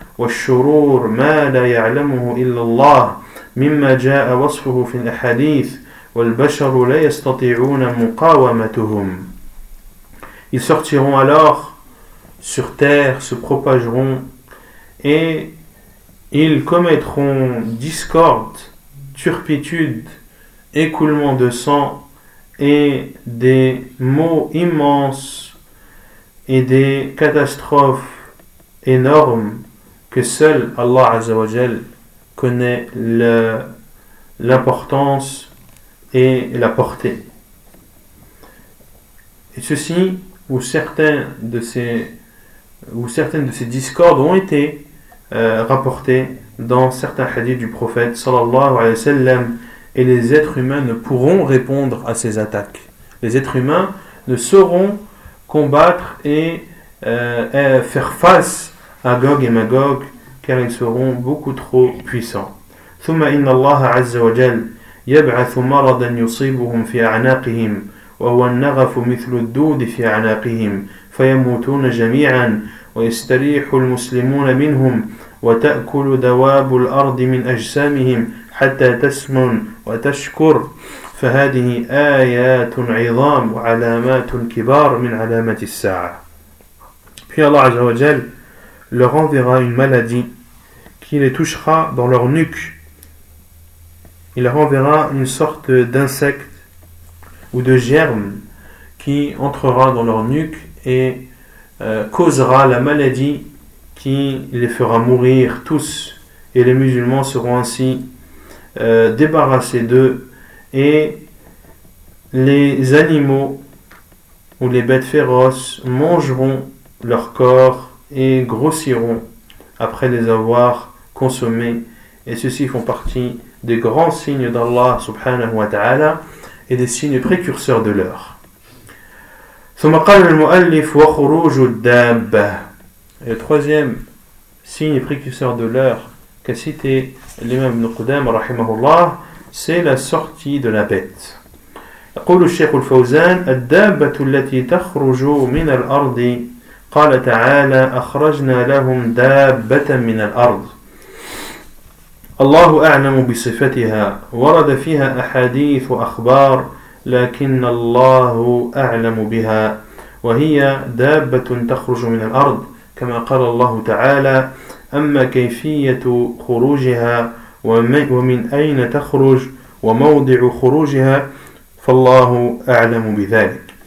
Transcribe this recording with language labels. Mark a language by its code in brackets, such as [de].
[ar] والشرور ما لا يعلمه إلا الله مما جاء وصفه في الأحاديث والبشر لا يستطيعون مقاومتهم. [fr] Ils sortiront alors sur terre, se propageront et ils commettront discorde, turpitude, écoulement de sang et des maux immenses et des catastrophes énormes que seul Allah Azza wa Jal connaît l'importance et la portée. Et ceci, ou certaines de ces discordes ont été rapportées dans certains hadiths du prophète sallallahu alayhi wa sallam, et les êtres humains ne pourront répondre à ces attaques. Les êtres humains ne sauront combattre et faire face à Gog et Magog, car ils seront beaucoup trop puissants. [ar] ثم إن الله عز وجل يبعث مرضا يصيبهم في أعناقهم وهو النغف مثل الدود في أعناقهم فيموتون جميعا ويستريح المسلمون منهم وتأكل دواب الأرض من أجسامهم حتى تسمن وتشكر فهذه آيات عظام وعلامات كبار من علامة الساعة. [fr] Puis Allah عز وجل leur enverra une maladie qui les touchera dans leur nuque. Il leur enverra une sorte d'insecte ou de germe qui entrera dans leur nuque et causera la maladie qui les fera mourir tous. Et les musulmans seront ainsi débarrassés d'eux. Et les animaux ou les bêtes féroces mangeront leur corps et grossiront après les avoir consommés. Et ceux-ci font partie des grands signes d'Allah subhanahu wa ta'ala et des signes précurseurs de l'heure. [ar] ثم قال المؤلف وخروج الدابة. [fr] Le troisième signe précurseur de l'heure qu'a cité l'imam ibn Qudam rahimahullah, c'est la sortie de la bête. [ar] يقول الشيخ الفوزان الدابة التي تخرج من الأرض قال تعالى أخرجنا لهم دابة من الأرض. الله أعلم بصفتها ورد فيها أحاديث وأخبار لكن الله أعلم بها وهي دابة تخرج من الأرض كما قال الله تعالى أما كيفية خروجها ومن أين تخرج وموضع خروجها فالله أعلم بذلك.